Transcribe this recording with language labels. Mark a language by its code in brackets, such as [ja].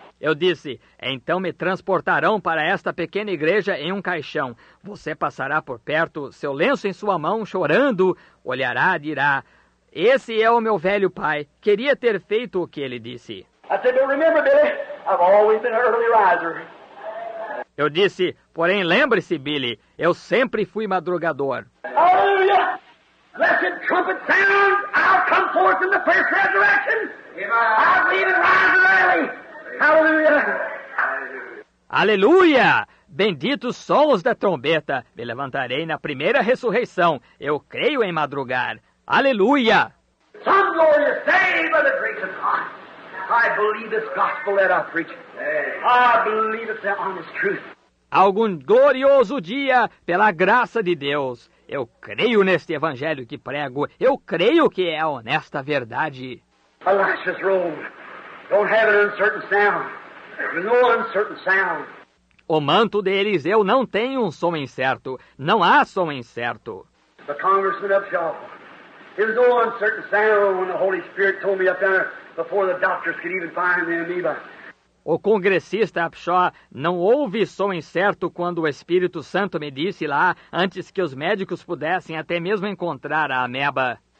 [pt] Eu disse, então me transportarão para esta pequena igreja em um caixão. Você passará por perto, seu lenço em sua mão, chorando, olhará e dirá, esse é o meu velho pai, queria ter feito o que ele disse. [en] I said, but remember, Billy, I've always been an early riser. [pt] Eu disse, porém lembre-se, Billy, eu sempre fui madrugador. Aleluia! [en] Blessed trumpet sound, I'll come forth in the first resurrection. I'll even rise early. [pt] Aleluia! Aleluia! Benditos sons da trombeta! Me levantarei na primeira ressurreição. Eu creio em madrugar. Aleluia! [en] Some glorious day by the grace of God. I believe this gospel that I preach. I believe it's the honest truth. [pt] Algum glorioso dia, pela graça de Deus, eu creio neste evangelho que prego. Eu creio que é a honesta verdade. [en] Elisha's room don't have an uncertain sound. There's no uncertain sound. [pt] O manto de Eliseu não tem um som incerto. Não há som incerto. [en] The congressman up shop. There's no uncertain sound when the Holy Spirit told me up there before the doctors could even find the amoeba. [pt] O congressista Upshaw, não houve som incerto quando o Espírito Santo me disse lá, antes que os médicos pudessem até mesmo encontrar a ameba.